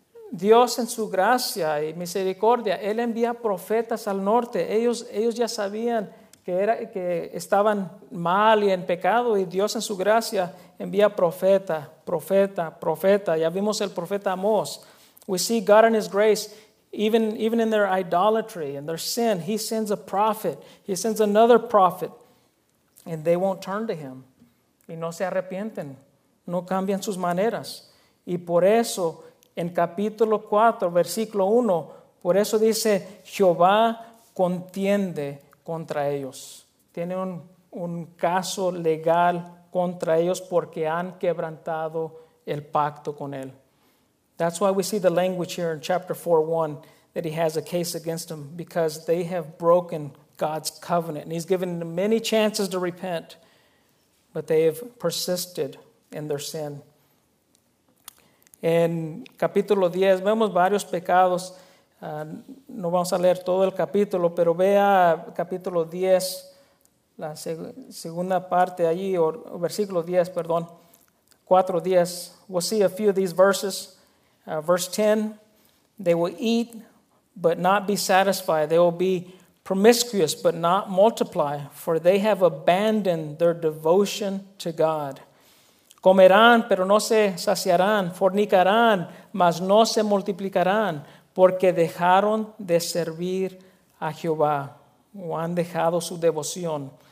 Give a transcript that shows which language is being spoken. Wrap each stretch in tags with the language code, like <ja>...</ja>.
<es>Dios en su gracia y misericordia, Él envía profetas al norte. Ellos ya sabían que estaban mal y en pecado. Y Dios en su gracia envía profeta. Ya vimos el profeta Amós.</es> <en>We see God in His grace. Even in their idolatry and their sin, He sends a prophet. He sends another prophet. And they won't turn to Him.</en> <es>Y no se arrepienten. No cambian sus maneras. Y por eso, en capítulo 4, versículo 1, por eso dice, Jehová contiende contra ellos. Tiene un caso legal contra ellos porque han quebrantado el pacto con Él.</es> <en>That's why we see the language here in chapter 4, 1, that He has a case against them because they have broken God's covenant. And He's given them many chances to repent, but they have persisted in their sin.</en> <es>En capítulo 10, vemos varios pecados. No vamos a leer todo el capítulo, pero vea capítulo 10, la segunda parte allí, o versículo 10, perdón, 4:10.</es> <en>We'll see a few of these verses. Verse 10, they will eat, but not be satisfied. They will be promiscuous, but not multiply, for they have abandoned their devotion to God.</en> <es>Comerán, pero no se saciarán. Fornicarán, mas no se multiplicarán, porque dejaron de servir a Jehová, o han dejado su devoción.</es>